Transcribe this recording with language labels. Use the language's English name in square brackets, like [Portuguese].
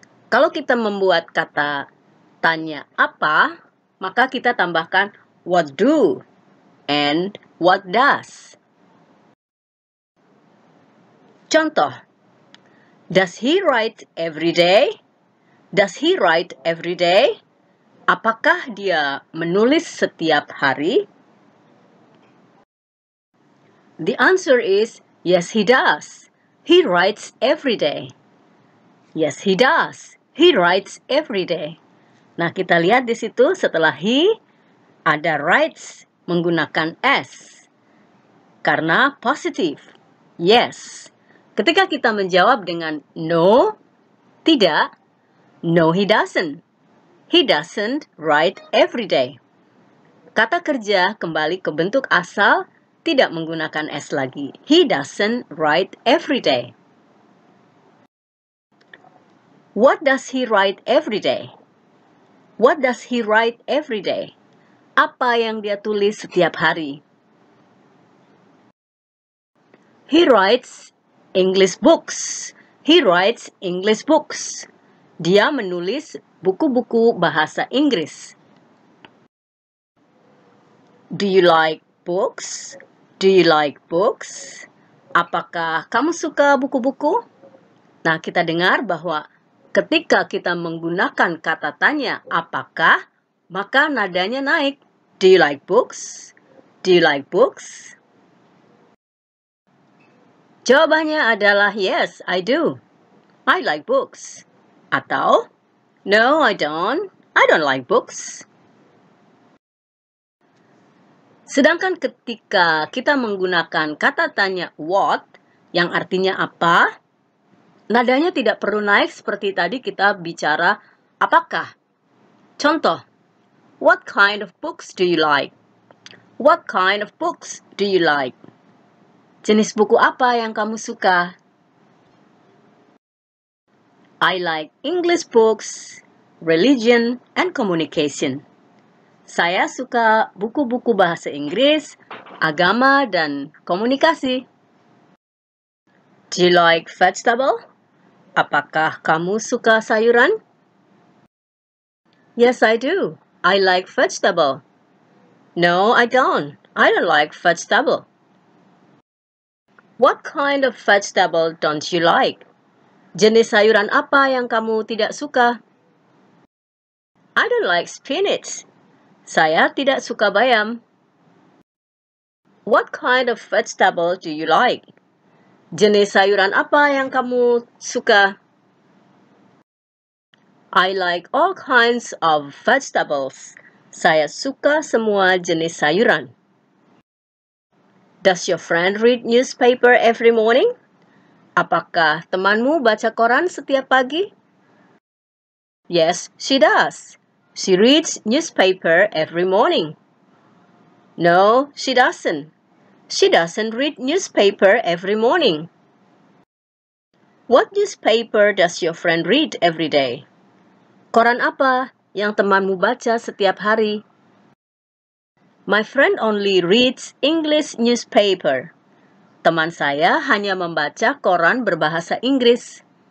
[Indonesian] Kalau kita membuat kata tanya apa, maka kita tambahkan [English] what do and what does. [Indonesian] Contoh, [English] does he write every day? Does he write every day? [Indonesian] Apakah dia menulis setiap hari? [English] The answer is yes, he does. He writes every day. Yes, he does. He writes every day. [Indonesian] Nah, kita lihat di situ setelah he, ada writes menggunakan s. Karena positive, yes. Ketika kita menjawab dengan no, tidak, [English] no he doesn't. He doesn't write every day. [Indonesian] Kata kerja kembali ke bentuk asal, tidak menggunakan s lagi. [English] He doesn't write every day. What does he write every day? What does he write every day? [Indonesian] Apa yang dia tulis setiap hari? [English] He writes English books. He writes English books. [Indonesian] Dia menulis buku-buku bahasa Inggris. [English] Do you like books? Do you like books? [Indonesian] Apakah kamu suka buku-buku? Nah, kita dengar bahwa ketika kita menggunakan kata tanya apakah, maka nadanya naik. [English] Do you like books? Do you like books? [Indonesian] Jawabannya adalah [English] yes, I do. I like books. [Indonesian] Atau [English] no, I don't. I don't like books. [Indonesian] Sedangkan ketika kita menggunakan kata tanya what, yang artinya apa, nadanya tidak perlu naik seperti tadi kita bicara apakah. Contoh, [English] what kind of books do you like? What kind of books do you like? [Indonesian] Jenis buku apa yang kamu suka? [English] I like English books, religion, and communication. [Indonesian] Saya suka buku-buku bahasa Inggris, agama, dan komunikasi. [English] Do you like vegetables? [Indonesian] Apakah kamu suka sayuran? [English] Yes, I do. I like vegetable. No, I don't. I don't like vegetable. What kind of vegetable don't you like? [Indonesian] Jenis sayuran apa yang kamu tidak suka? [English] I don't like spinach. [Indonesian] Saya tidak suka bayam. [English] What kind of vegetable do you like? [Indonesian] Jenis sayuran apa yang kamu suka? [English] I like all kinds of vegetables. [Indonesian] Saya suka semua jenis sayuran. [English] Does your friend read newspaper every morning? [Indonesian] Apakah temanmu baca koran setiap pagi? [English] Yes, she does. She reads newspaper every morning. No, she doesn't. She doesn't read newspaper every morning. What newspaper does your friend read every day? [Indonesian] Koran apa yang temanmu baca setiap hari? [English] My friend only reads English newspaper. [Indonesian] Teman saya hanya membaca koran berbahasa Inggris.